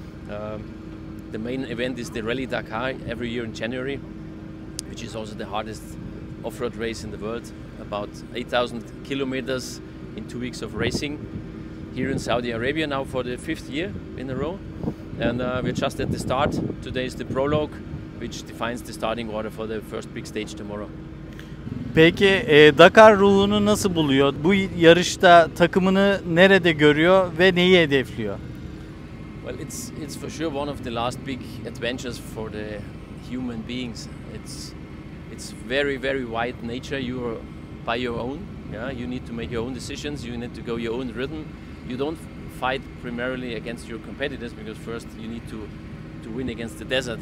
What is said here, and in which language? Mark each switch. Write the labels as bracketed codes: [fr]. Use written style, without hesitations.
[en] The main event is the Rally Dakar every year in January, which is also the hardest off-road race in the world, about 8,000 kilometers in 2 weeks of racing here in Saudi Arabia now for the 5th year in a row. And we're just at the start. Today is the prologue, which defines the starting order for the first big stage tomorrow. [tr] Peki Dakar ruhunu nasıl buluyor? Bu yarışta takımını nerede görüyor ve neyi hedefliyor? [en] Well, it's for sure one of the last big adventures for the human beings. It's very, very wide nature. You are by your own. Yeah, you need to make your own decisions. You need to go your own rhythm. You don't fight primarily against your competitors, because first you need to win against the desert.